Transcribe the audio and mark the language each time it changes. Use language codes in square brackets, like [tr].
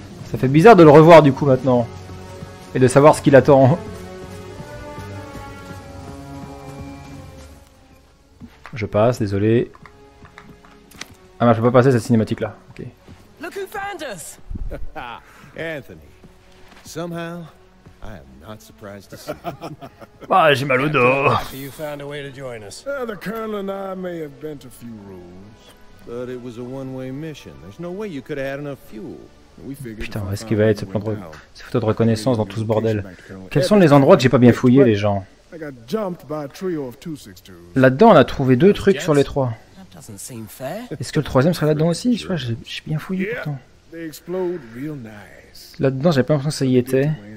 [fr] Ça fait bizarre de le revoir du coup maintenant. Et de savoir ce qu'il attend. Je passe, désolé. Ah non, je peux pas passer cette cinématique là. [en] Ok. Look who found us. Anthony. Somehow, I am not surprised to see you. [fr] Ah, j'ai mal au dos. [en] You found a way to join us. The Colonel and I may have bent a few rules, but it was a one-way mission. There's no way you could have had enough fuel. [fr] Putain, où est-ce qu'il va être ce plan de ces photos de reconnaissance dans tout ce bordel? Quels sont les endroits que j'ai pas bien fouillé, les gens? Là-dedans, on a trouvé deux trucs sur les trois. Est-ce que le troisième serait là-dedans aussi? Je sais pas, j'ai bien fouillé pourtant. Là-dedans, j'avais pas l'impression que ça y était.